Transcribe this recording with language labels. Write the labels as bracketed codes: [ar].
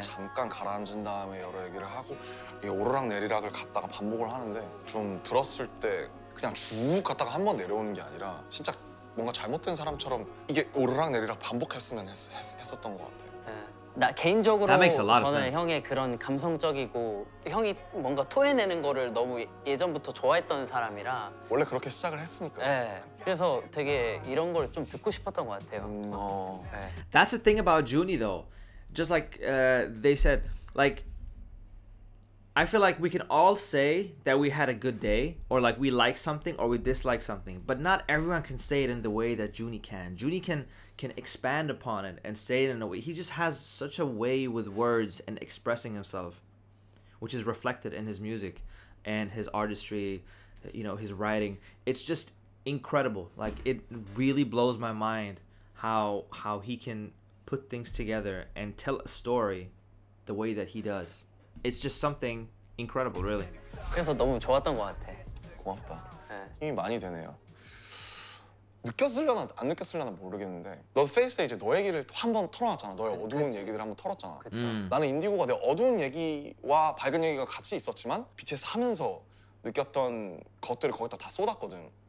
[ko] 잠깐 가라앉은 다음에 여러 얘기를 하고 이게 오르락 내리락을 갔다가 반복을 하는데 좀 들었을 때 그냥 쭉 갔다가 한번 내려오는 게 아니라 진짜 뭔가 잘못된 사람처럼 이게 오르락 내리락 반복했으면 했었던 것 같아. 나 개인적으로 저는 형의 그런 감성적이고 형이 뭔가 토해내는 거를 너무 예전부터 좋아했던 사람이라 원래 그렇게 시작을 했으니까. 네. 그래서 되게 이런 걸 좀 듣고 싶었던 것 같아요. 어. 네. [en] That's the thing about Juni though. Just like they said, like I feel like we can all say that we had a good day or like we like something or we dislike something, but not everyone can say it in the way that Juni can. Juni can expand upon it and say it in a way. He just has such a way with words and expressing himself, which is reflected in his music and his artistry, you know, his writing. It's just incredible. Like, it really blows my mind how he can put things together and tell a story the way that he does. It's just something incredible, really. [ko] 그래서 너무 좋았던 것 같아. 고맙다. 힘이 많이 되네요. 느꼈으려나 안 느꼈으려나 모르겠는데 너 페이스에 이제 너 얘기를 한번 털어놨잖아. 너의 어두운 그치. 얘기들 한번 털었잖아. 나는 인디고가 내 어두운 얘기와 밝은 얘기가 같이 있었지만 BTS 하면서 느꼈던 것들을 거기다 다 쏟았거든.